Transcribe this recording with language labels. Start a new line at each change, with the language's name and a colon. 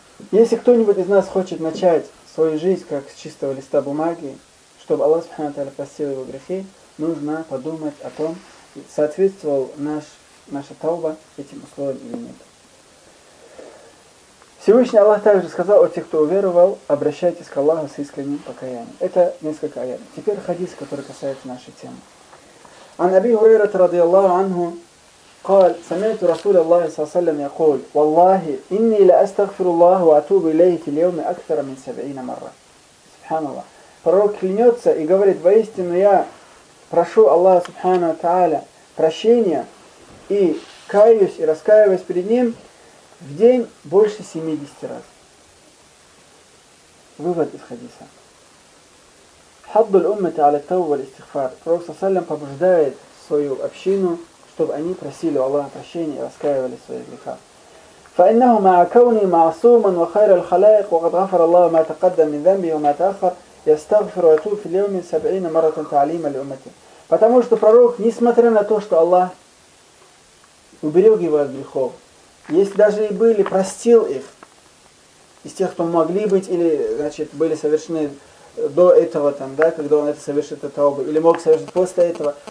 Russian: Если кто-нибудь из нас хочет начать свою жизнь как с чистого листа бумаги, чтобы Аллах Субхана ва Тааля простил его грехи, нужно подумать о том, соответствовал наша тауба этим условиям или нет. Всевышний Аллах также сказал о тех, кто уверовал, обращайтесь к Аллаху с искренним покаянием. Это несколько аятов. Теперь хадис, который касается нашей темы.
Arabic: عن أبي هريرة رضي الله عنه قال سمعت رسول الله صلى الله عليه وسلم يقول والله إني لأستغفر الله وأتوب إليه في اليوم أكثر من 70 مرة. سبحان الله.
Russian: Пророк клянется и говорит, воистину я прошу Аллаха Субхана ва Тааля прощения и каюсь и раскаиваюсь перед Ним в день больше 70 раз. Вывод из хадиса.
Arabic: حض الأمة على التوبة والاستغفار.
Russian: Пророк саллям побуждает свою общину, чтобы они просили у Аллаха прощения и раскаивали свои греха.
Arabic: فإنه مع كوني معصوما وخير الخلائق وقد غفر الله ما تقدم من ذنبي وما تأخر يستغفر ويتوب في اليوم 70 مرة تعليما لأمته.
Russian: Потому что пророк, несмотря на то, что Аллах уберег его от грехов, если даже и были, простил их из тех, кто могли быть или, значит, были совершены до этого, там, да, когда он это совершит, это оба, или мог совершить после этого.